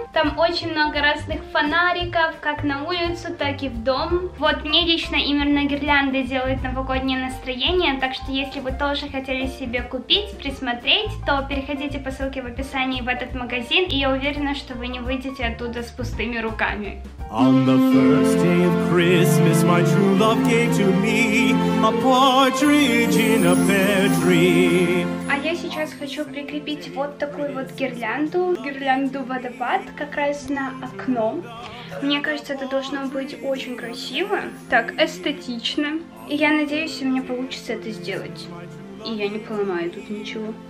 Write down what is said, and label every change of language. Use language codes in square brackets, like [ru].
[ru] Там очень много разных фонариков, как на улицу, так и в дом. Вот мне лично именно гирлянды делают новогоднее настроение, так что если вы тоже хотели себе купить, присмотреть, то переходите по ссылке в описании в этот магазин, и я уверена, что вы не выйдете оттуда с пустыми руками. [en] On the first day of Christmas, my true love gave to me a partridge in a pear tree. [ru] А я сейчас хочу прикрепить вот такую вот гирлянду водопад, как раз на окно. Мне кажется, это должно быть очень красиво, так эстетично. И я надеюсь, у меня получится это сделать. И я не поломаю тут ничего.